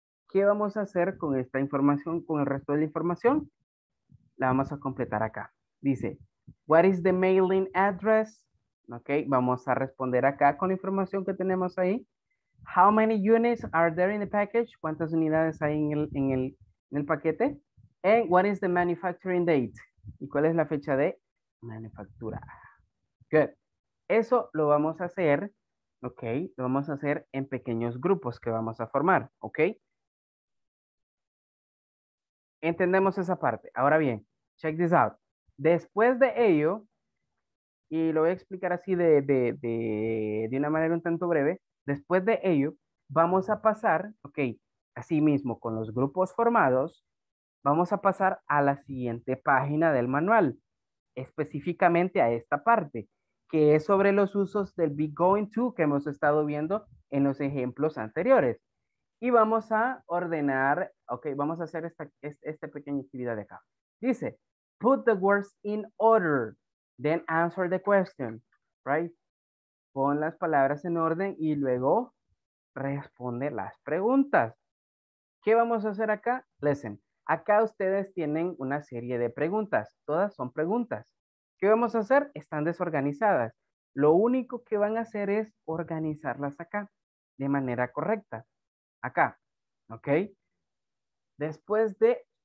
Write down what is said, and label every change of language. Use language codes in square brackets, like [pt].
[es] ¿Qué vamos a hacer con esta información, con el resto de la información? La vamos a completar acá. Dice, [en] what is the mailing address? [es] Okay, vamos a responder acá con la información que tenemos ahí. [en] How many units are there in the package? [es] ¿Cuántas unidades hay en el paquete? [en] And what is the manufacturing date? [es] ¿Y cuál es la fecha de manufactura? Good. Eso lo vamos a hacer. Ok, lo vamos a hacer en pequeños grupos que vamos a formar, ok. Entendemos esa parte. Ahora bien, [en] check this out. [es] Después de ello, y lo voy a explicar así de una manera un tanto breve, después de ello, vamos a pasar, ok, así mismo con los grupos formados, vamos a pasar a la siguiente página del manual, específicamente a esta parte, que es sobre los usos del be going to que hemos estado viendo en los ejemplos anteriores. Y vamos a ordenar, ok, vamos a hacer esta pequeña actividad de acá. [en] Dice, put the words in order, then answer the question, right? [es] Pon las palabras en orden y luego responde las preguntas. ¿Qué vamos a hacer acá? Listen, acá ustedes tienen una serie de preguntas, todas son preguntas. ¿Qué vamos a hacer? Están desorganizadas. Lo único que van a hacer es organizarlas acá, de manera correcta. Acá, ¿ok? Después de